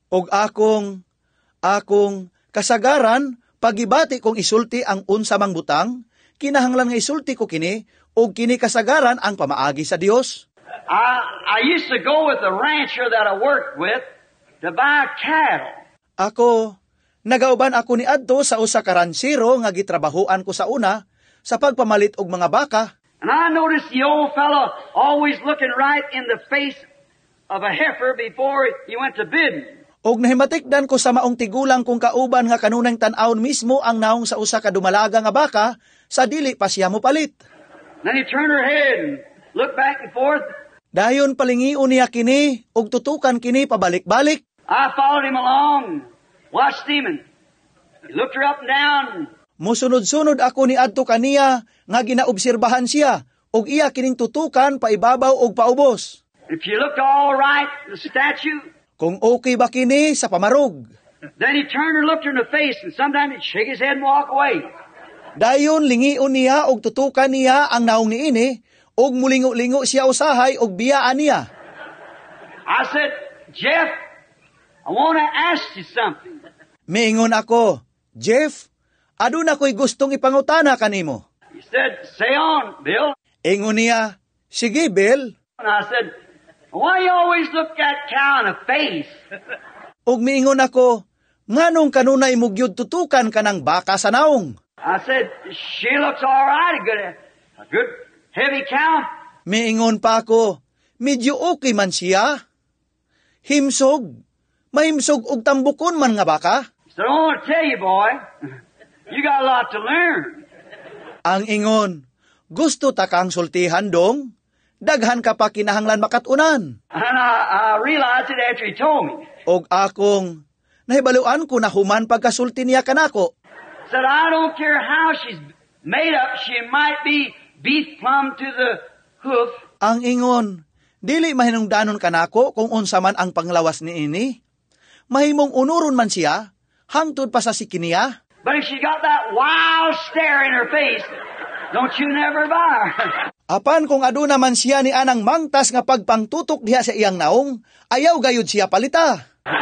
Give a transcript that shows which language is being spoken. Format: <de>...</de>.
<ceb>Og akong kasagaran, pagibati kong isulti ang unsa mang butang, kinahanglan nga isulti ko kini, og kini kasagaran ang pamaagi sa Dios.</ceb> <en>I used to go with a rancher that I worked with to buy cattle.</en> <ceb>Ako, nagauban ako ni adto sa usa ka ranchero nga gitrabahuan ko sa una sa pagpamalit og mga baka.</ceb> <en>And I noticed the old fellow always looking right in the face of a heifer before he went to bidding.</en> <ceb>Og nahimatikdan ko sa maong tigulang kung kauban nga kanunang tan-aon mismo ang naong sa usa ka dumalaga nga baka, sa dili pa siya mupalit.</ceb> <en>Then he turned her head and looked back and forth.</en> <ceb>Dayon palingiun niya kini, og tutukan kini pabalik-balik.</ceb> <en>I followed him along, watched him, and looked her up and down.</en> <ceb>Musunod-sunod ako ni adto kaniya nga ginaobserbahan siya, og iya kining tutukan paibabaw og paubos.</ceb> <en>If you looked all right, the statue.</en> <ceb>Kung okay ba kini sa pamarug.</ceb> <en>Then he turned and looked her in the face, and sometimes he'd shake his head and walk away.</en> <ceb>Dayon lingiun niya og tutukan niya ang naong niini, og mulingo-lingo siya usahay og biyaan niya.</ceb> <en>I said, Jeff, I wanna ask you something.</en> <ceb>Miingon ako, Jeff, aduna ko'y gustong ipangutana kanimo.</ceb> <en>He said, say on, Bill.</en> <ceb>Ingon niya, sige, Bill.</ceb> <en>And I said, why you always look that cow in the face?</en> <ceb>Og miingon ako, nganong kanunay mugyud tutukan ka ng baka sa naong?</ceb> <en>I said, she looks all right, a good heavy cow.</en> <ceb>Miingon pa ako, medyo okay man siya. Himsog, mahimsog og tambukon man nga baka.</ceb> <en>So I don't want to tell you, boy, you got a lot to learn.</en> <ceb>Ang ingon, gusto ta kang sultihan dong? Daghan ka pa kinahanglan makatunan.</ceb> <en>And I realized it after he told me.</en> <ceb>Og akong, nahibaluan ko na human pagkasulti niya kanako.</ceb> <en>Said, I don't care how she's made up, she might be beef plumb to the hoof.</en> <ceb>Ang ingon, dili mahinungdanon kanako kung unsa man ang panglawas ni ini. Mahimong unurun man siya, hangtod pa sa sikiniya.</ceb> <en>But if she got that wild stare in her face, don't you never bar.</en> <ceb>Apan kung aduna man siya ni anang mangtas nga pagpangtutok diha sa iyang naong, ayaw gayud siya palita.</ceb>